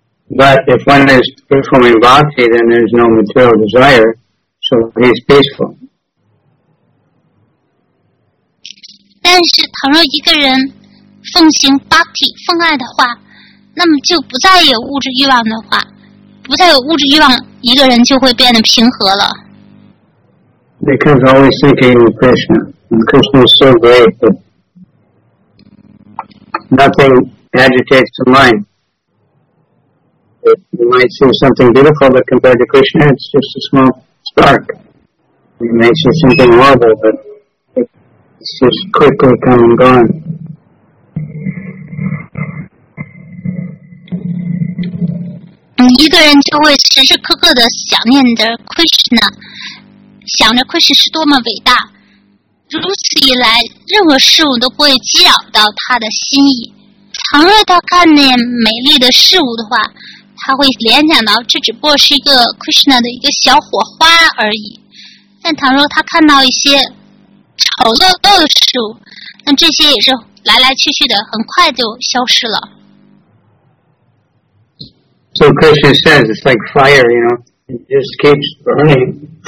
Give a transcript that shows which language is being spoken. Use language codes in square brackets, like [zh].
[en] But if one is performing bhakti, then there's no material desire. So he's peaceful. [zh] 但是倘若一个人奉行 bhakti 奉爱的话，那么就不再有物质欲望的话，不再有物质欲望，一个人就会变得平和了。 [en] Because always thinking of Krishna, and Krishna is so great that nothing agitates the mind. You might see something beautiful, but compared to Krishna, it's just a small. Spark. You may see something horrible, but it's just quickly come and gone. [zh] 一个人就会时时刻刻的想念着 Krishna，想着 Krishna 是多么伟大，如此一来，任何事物都不会激扰到他的心意。倘若他看见美丽的事物的话，他会联想到这只不过是一个 Krishna 的一个小火花而已。但倘若他看到一些丑陋陋的事物，那这些也是来来去去的，很快就消失了。 [en] So Krishna says it's like fire, you know, it just keeps burning.